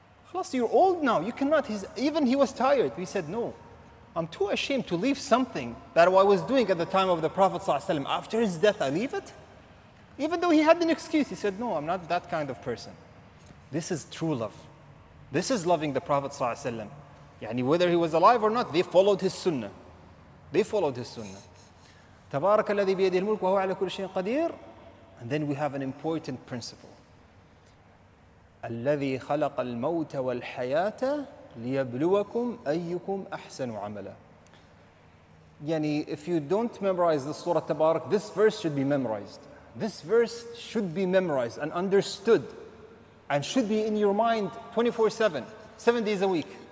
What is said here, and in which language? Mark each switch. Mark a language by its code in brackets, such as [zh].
[en] Plus, you're old now, you cannot. Even he was tired. He said, no, I'm too ashamed to leave something that I was doing at the time of the Prophet ﷺ. After his death, I leave it? Even though he had an excuse, he said, no, I'm not that kind of person. This is true love. This is loving the Prophet ﷺ. Yani, whether he was alive or not, they followed his sunnah. They followed his sunnah. [ar] تبارك الذي بيده الملك وهو على كل شيء قدير. [en] And then we have an important principle. [ar] الَّذِي خَلَقَ الْمَوْتَ وَالْحَيَاةَ لِيَبْلُوَكُمْ أَيُّكُمْ أَحْسَنُ عَمَلًا. [en] Yani, if you don't memorize the Surah Tabarak, this verse should be memorized. This verse should be memorized and understood and should be in your mind 24/7, 7 days a week.